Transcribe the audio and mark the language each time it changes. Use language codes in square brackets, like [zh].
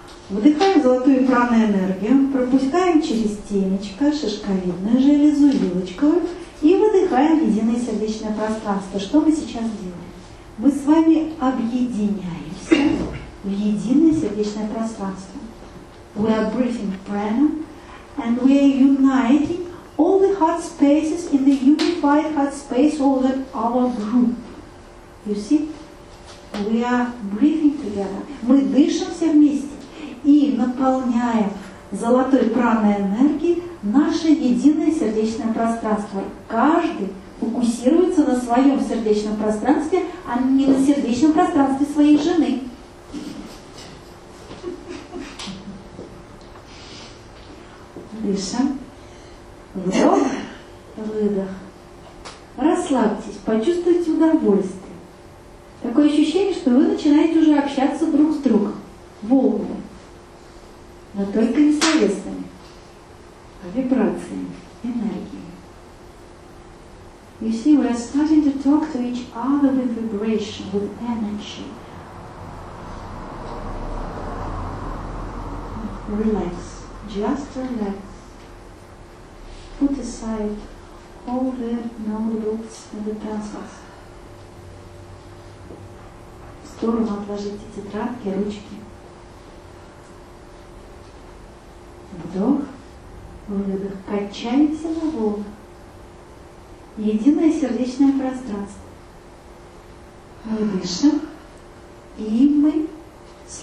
[ru] Вдыхаем золотую праноэнергию, пропускаем через темечко, шишковидную железу, вилочковую, и выдыхаем единое сердечное пространство. Что мы сейчас делаем? Мы с вами объединяемся в единое сердечное пространство. [en] We are breathing prana, and we are uniting all the heart spaces in the unified heart space of our group. You see? We are breathing together. [ru] Мы дышим все вместе и наполняем золотой праной энергии наше единое сердечное пространство. Каждый фокусируется на своем сердечном пространстве, а не на сердечном пространстве своей жены. Дышим. Вдох, выдох. Расслабьтесь, почувствуйте удовольствие. Такое ощущение, что вы начинаете уже общаться друг с другом. Волны. Но только не словесными, а вибрациями, энергией. [en] You see, we are starting to talk to each other with vibration, with energy. Relax. Just relax. Put aside all the notebooks and the pencils. [ru] В сторону отложите тетрадки, ручки. Вдох, выдох, качаемся на волну. Единое сердечное пространство. Мы дышим, и мы с